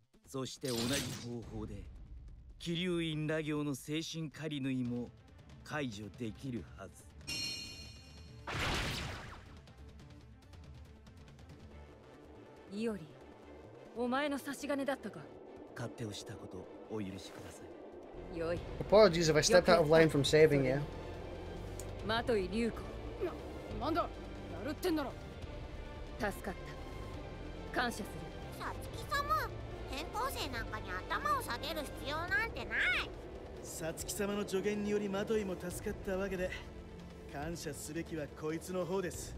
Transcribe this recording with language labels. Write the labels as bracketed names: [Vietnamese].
[Japanese] そして同じ方法で、キリュウインラ行の精神狩り縫いも解除できるはず。イオリ、お前の差し金だったか。勝手をしたこと、お許しください。 [English] Apologies if I stepped out of line from saving you. [Japanese] マトイ・リュウコ。なんだ、やるってんだろ。助かった。感謝する。サツキ様、転校生なんかに頭を下げる必要なんてない。サツキ様の助言によりマトイも助かったわけで、感謝すべきはこいつの方です。